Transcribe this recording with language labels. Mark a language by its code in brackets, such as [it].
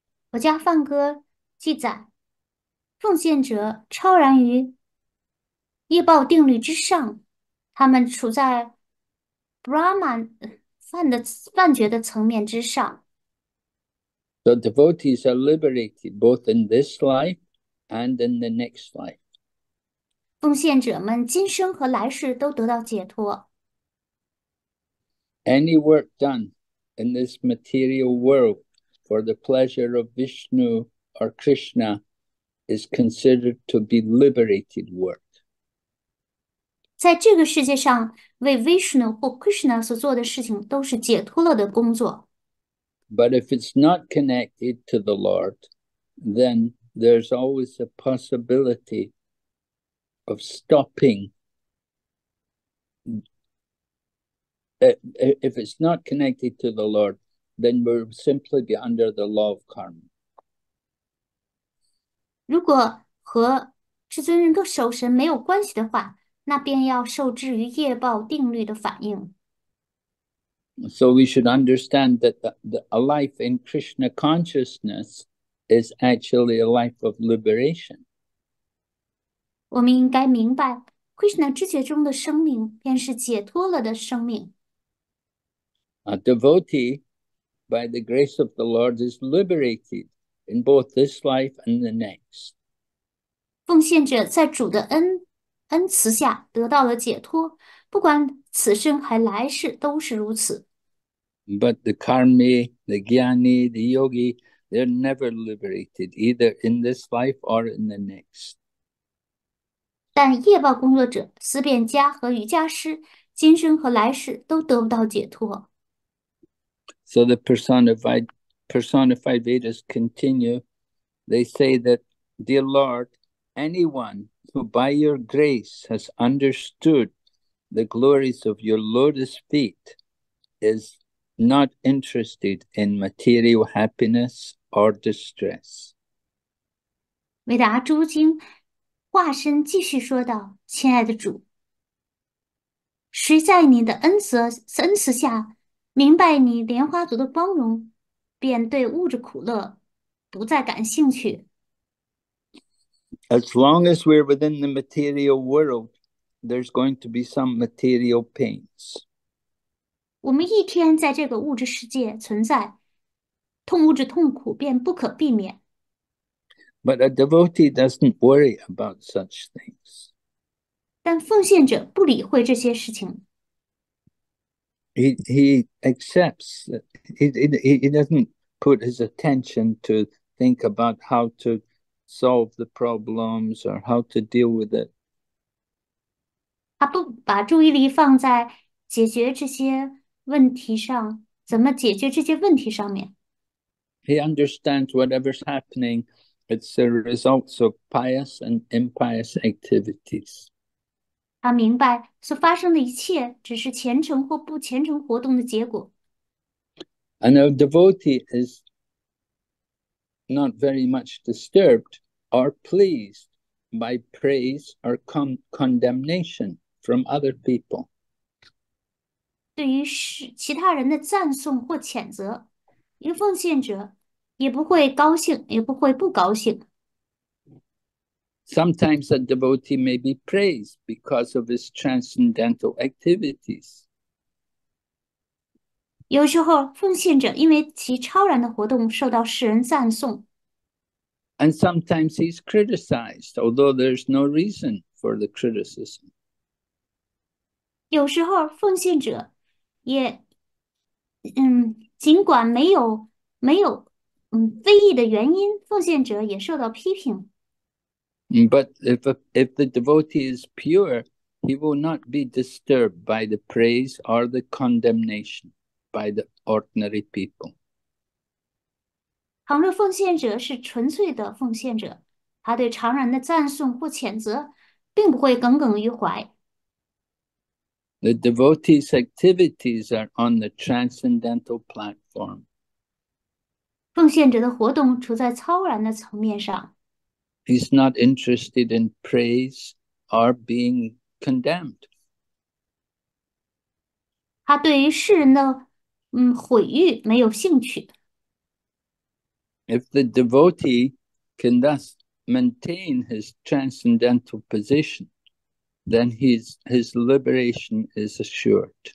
[zh] 佛家梵歌记载，奉献者超然于业报定律之上，他们处在 Brahman 幻觉的层面之上。 [en] So devotees are liberated both in this life and in the next life. [zh] 奉献者们今生和来世都得到解脱。 [en] Any work done in this material world for the pleasure of Vishnu or Krishna is considered to be liberated work. [zh] 在这个世界上，为 Vishnu 或 Krishna 所做的事情都是解脱了的工作。 [en] But if it's not connected to the Lord, then there's always a possibility of stopping. If it's not connected to the Lord, then we'll simply be under the law of karma. [zh] 如果和至尊人的守神没有关系的话，那便要受制于业报定律的反应。 [en] So we should understand that a life in Krishna consciousness is actually a life of liberation. [zh] 我们应该明白，Krishna 知觉中的生命便是解脱了的生命。 [en] A devotee, by the grace of the Lord, is liberated in both this life and the next. [zh] 奉献者在主的恩慈下得到了解脱，不管此生还来世都是如此。 [en] But the karmi, the gyani, the yogi, they're never liberated, either in this life or in the next. [zh] 但业报工作者、思辨家和瑜伽师，今生和来世都得不到解脱。 [en] So the personified Vedas continue. They say that, Dear Lord, anyone who by your grace has understood the glories of your lotus feet is not interested in material happiness or distress. [zh] 维达诸经化身继续说道：“亲爱的主，谁在你的恩慈下明白你莲花族的包容，便对物质苦乐不再感兴趣。 [en] As long as we're within the material world, there's going to be some material pains. [zh] 我们一天在这个物质世界存在，痛物质痛苦便不可避免。” [en] But a devotee doesn't worry about such things. [zh] 但奉献者不理会这些事情。 [en] He accepts, he doesn't put his attention to think about how to solve the problems or how to deal with it. [zh] 他不把注意力放在解决这些问题上，怎么解决这些问题上面。 [en] He understands whatever's happening. It's the results of pious and impious activities. [zh] 他明白所发生的一切只是虔诚或不虔诚活动的结果。 [en] And a devotee is not very much disturbed or pleased by praise or condemnation from other people. [zh] 对于是其他人的赞颂或谴责，一个奉献者也不会高兴，也不会不高兴。 [en] Sometimes a devotee may be praised because of his transcendental activities. [zh] 有时候，奉献者因为其超然的活动受到世人赞颂。 [en] And sometimes he's criticized, although there's no reason for the criticism. [zh] 有时候，奉献者也，尽管没有非议的原因，奉献者也受到批评。 [en] But if the devotee is pure, he will not be disturbed by the praise or the condemnation by the ordinary people. [zh] 倘若奉献者是纯粹的奉献者，他对常人的赞颂或谴责并不会耿耿于怀。 [en] The devotee's activities are on the transcendental platform. [zh] 奉献者的活动处在超然的层面上。 [en] He's not interested in praise or being condemned. [zh] 他对于世人的毁誉没有兴趣。 [en] If the devotee can thus maintain his transcendental position, then his liberation is assured.